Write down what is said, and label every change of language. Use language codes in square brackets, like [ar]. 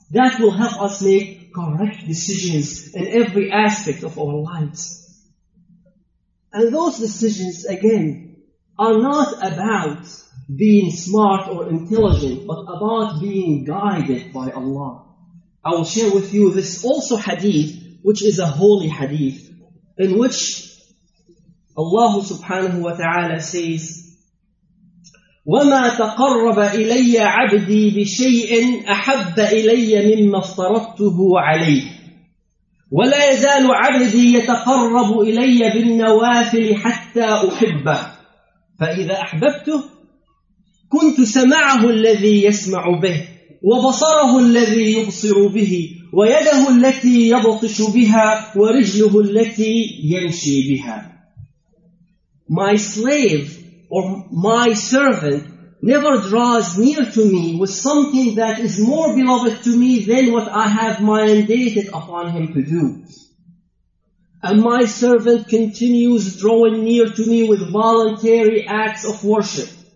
[en] That will help us make correct decisions in every aspect of our lives. And those decisions, again, are not about being smart or intelligent, but about being guided by Allah. I will share with you this also hadith, which is a holy hadith, in which Allah subhanahu wa ta'ala says, [ar] وَمَا تَقَرَّبَ إِلَيَّ عَبْدِي بِشَيْءٍ أَحَبَّ إِلَيَّ مِمَّا افْتَرَدْتُهُ عَلَيْهِ وَلَا يَزَالُ عَبْدِي يَتَقَرَّبُ إِلَيَّ بِالنَّوَافِلِ حَتَّى أُحِبَّهُ فَإِذَا أَحْبَبْتُهُ كُنْتُ سَمَعَهُ الَّذِي يَسْمَعُ بِهِ وَبَصَرَهُ الَّذِي يُبْصِرُ بِهِ وَيَدَهُ الَّتِي يَبْطِشُ بِهَا وَرِجْلُهُ الَّتِي يَمْشِي بِهَا. [en] My slave or my servant never draws near to me with something that is more beloved to me than what I have mandated upon him to do. And my servant continues drawing near to me with voluntary acts of worship.